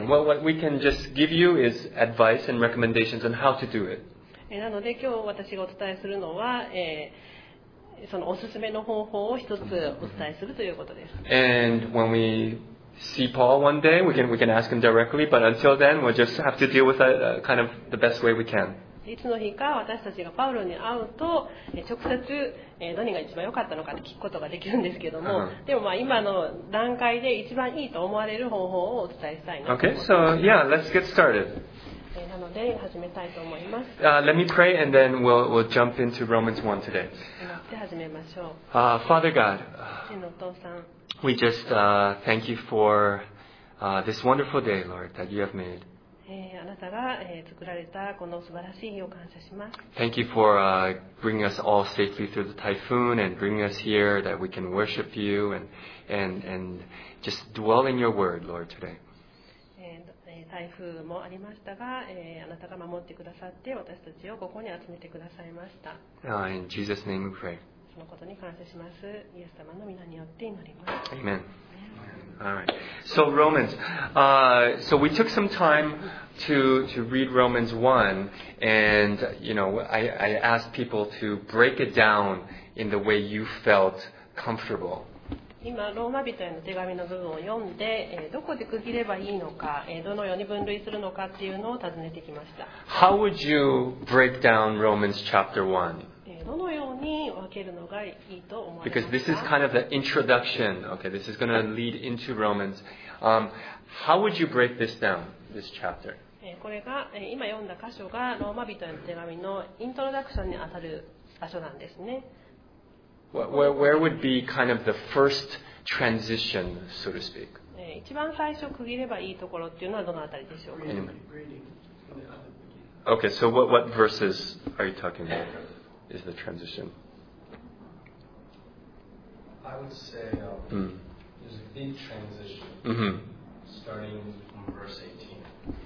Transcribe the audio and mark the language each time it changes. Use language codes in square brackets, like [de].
[en] Well, what we can just give you is advice and recommendations on how to do it. [ja] なので今日私がお伝えするのは、そのおすすめの方法を一つお伝えするということです。 [en] And when we see Paul one day, we can ask him directly, but until then, we'll just have to deal with that kind of the best way we can. [ja] いつの日か私たちがパウロに会うと直接何が一番良かったのかって聞くことができるんですけども、uh-huh. でもまあ今の段階で一番いいと思われる方法をお伝えしたいなと思います。 [en] Okay, so yeah, let's get started. [ja] なので始めたいと思います。 [en] Let me pray and then we'll jump into Romans 1 today. [ja] で始めましょう。 [en] Father God, [ja] 天のお父さん、 [en] we just thank you for this wonderful day, Lord, that you have made. [ja] あなたが作られたこの素晴らしい日を感謝します。 [en] Thank you for bringing us all safely through the typhoon and bringing us here that we can worship you and just dwell in your word, Lord, today. [ja] 台風もありましたが、あなたが守ってくださって私たちをここに集めてくださいました。 [en] In Jesus' name we pray. [ja] そのことに感謝します。イエス様の御名によって祈ります。 [en] Amen. All right. So Romans, so we took some time to read Romans 1, and you know, I asked people to break it down in the way you felt comfortable. [ja] 今ローマ人への手紙の部分を読んで、どこで区切ればいいのか、どのように分類するのかっていうのを尋ねてきました。 [en] How would you break down Romans chapter 1? [ja] どのように分けるのがいいと思いますか? [en] Because this is kind of the introduction. Okay, this is going to lead into Romans. How would you break this down, this chapter? [ja] これが今読んだ箇所がローマ人への手紙のイントロダクションにあたる場所なんですね。 [en] Where would be kind of the first transition, so to speak? [ja] 一番最初区切ればいいところっていうのはどのあたりでしょうか? [en] Okay, so what verses are you talking about? Is the transition? I would say there's a big transition starting from verse 18.